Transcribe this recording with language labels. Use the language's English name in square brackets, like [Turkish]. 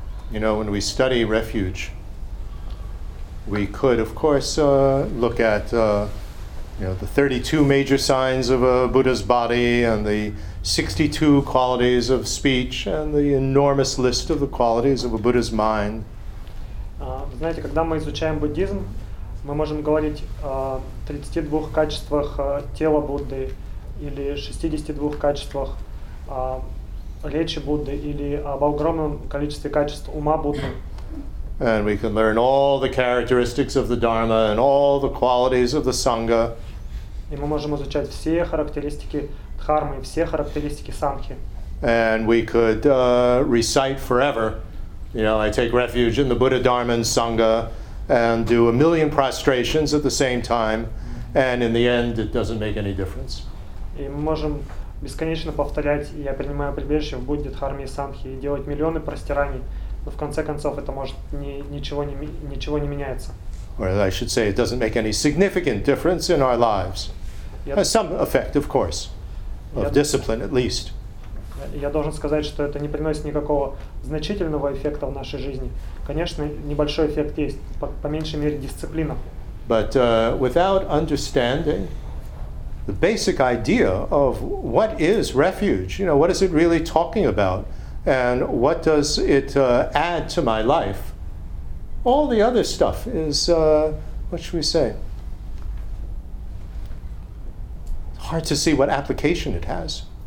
[English] You know, when we study refuge, we could, of course, look at the 32 major signs of a Buddha's body and the 62 qualities of speech and the enormous list of the qualities of a Buddha's mind. [Russian] Знаете, когда мы изучаем буддизм, мы можем говорить о 32 качествах тела Будды или 62 качествах речи Будды или об огромном количестве качеств ума Будды. [English] And we can learn all the characteristics of the Dharma and all the qualities of the Sangha. [Russian] И мы можем изучать все характеристики дхармы, все характеристики санхи. [English] And we could recite forever, I take refuge in the Buddha, Dharma, and Sangha, and do a million prostrations at the same time, And in the end, it doesn't make any difference. [Russian] И мы можем бесконечно повторять, я принимаю прибежище в Будде, Дхарме и Сангхе, и делать миллионы простираний, но в конце концов это может ничего не меняется. [English] Or I should say, it doesn't make any significant difference in our lives. Some effect, of course, of discipline at least. [Russian] Я должен сказать, что это не приносит никакого значительного эффекта в нашей жизни. Конечно, небольшой эффект есть, по меньшей мере, дисциплина. [English] But without understanding the basic idea of what is refuge, you know, what is it really talking about, and what does it add to my life, all the other stuff is, what should we say, hard to see what application it has.